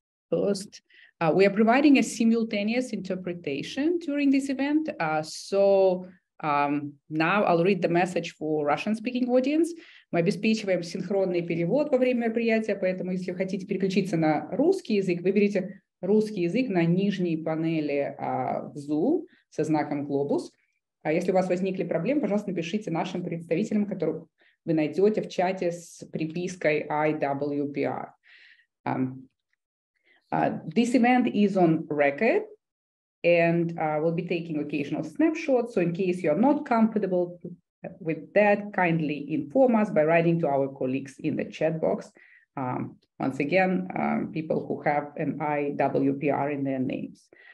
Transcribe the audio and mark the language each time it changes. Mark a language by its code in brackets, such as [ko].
[en] First, we are providing a simultaneous interpretation during this event. Now I'll read the message for Russian-speaking audience. [ru] Мы обеспечиваем синхронный перевод во время мероприятия, поэтому если хотите переключиться на русский язык, выберите русский язык на нижней панели Zoom со знаком глобус. Если у вас возникли проблемы, пожалуйста, напишите нашим представителям, которых вы найдете в чате с припиской IWPR. [en] This event is on record and we'll be taking occasional snapshots. So in case you are not comfortable with that, kindly inform us by writing to our colleagues in the chat box. Once again, people who have an IWPR in their names.